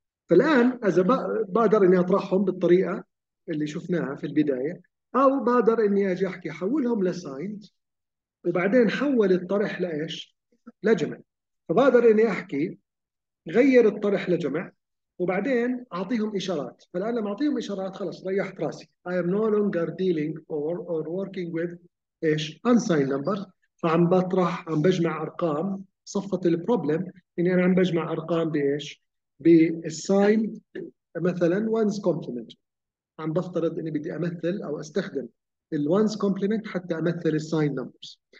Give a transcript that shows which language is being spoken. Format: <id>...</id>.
<ar>فالآن إذا بقدر إني أطرحهم بالطريقة اللي شفناها في البداية، أو بقدر إني أجي أحكي حولهم لسايند وبعدين حول الطرح لإيش؟ لجمع. فبقدر إني أحكي غير الطرح لجمع وبعدين أعطيهم إشارات. فالآن لما أعطيهم إشارات خلاص ريحت راسي.</ar> <en>I am no longer dealing or working with إيش؟ unsigned numbers.</en> <ar>فعم بطرح عم بجمع أرقام صفت البروبلم اني انا عم بجمع ارقام بايش؟ بالساين مثلا وانز كومبلمنت. عم بفترض اني بدي امثل او استخدم الوانز كومبلمنت حتى امثل الساين نمبرز.</ar>